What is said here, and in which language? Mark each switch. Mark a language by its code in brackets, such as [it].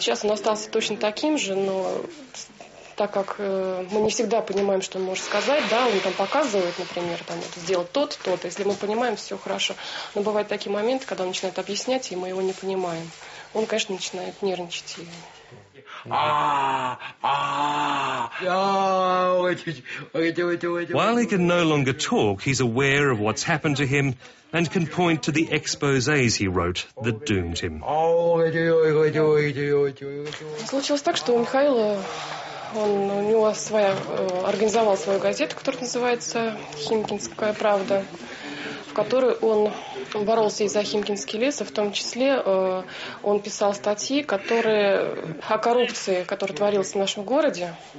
[ru] Сейчас он остался точно таким же, но так как мы не всегда понимаем, что он может сказать, да, он там показывает, например, там вот, сделал тот-то, если мы понимаем, все хорошо. Но бывают такие моменты, когда он начинает объяснять, и мы его не понимаем. Он, конечно, начинает нервничать. [en] While he can no longer talk, he's aware of what's happened to him and can point to the exposés he wrote that doomed him. [ru] Случилось так, что у Михаила, он у него своя организовал свою газету, которая называется «Химкинская правда», в которой он боролся и за Химкинский лес, и в том числе он писал статьи, которые о коррупции, которая творилась в нашем городе.